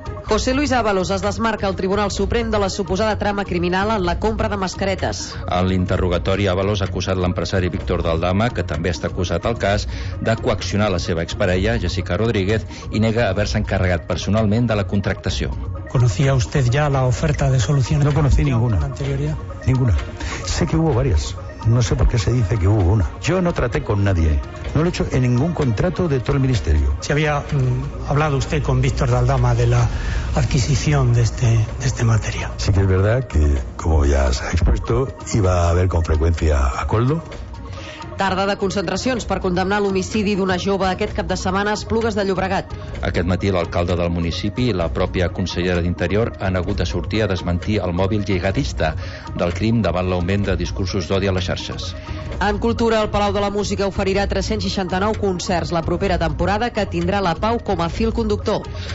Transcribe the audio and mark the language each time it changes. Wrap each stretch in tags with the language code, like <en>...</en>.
<ca>José Luis Ábalos es desmarca al Tribunal Suprem de la suposada trama criminal en la compra de mascaretes. En l'interrogatori, Ábalos ha acusat l'empresari Víctor Daldama, que també està acusat al cas, de coaccionar la seva exparella, Jessica Rodríguez, i nega haver-se encarregat personalment de la contractació.</ca> <es>¿Conocía usted ya la oferta de solución? No conocí ninguna. Ninguna. Sé que hubo varias. No sé por qué se dice que hubo una. Yo no traté con nadie. No lo he hecho en ningún contrato de todo el ministerio. ¿Se había hablado usted con Víctor Daldama de la adquisición de este material? Sí que es verdad que, como ya se ha expuesto, iba a haber con frecuencia acuerdo.</es> <ca>Tarda de concentracions per condemnar l'homicidi d'una jove aquest cap de setmana a Esplugues de Llobregat. Aquest matí l'alcalde del municipi i la pròpia consellera d'Interior han hagut de sortir a desmentir el mòbil lligadista del crim davant l'augment de discursos d'odi a les xarxes. En cultura, el Palau de la Música oferirà 369 concerts la propera temporada que tindrà la Pau com a fil conductor.</ca>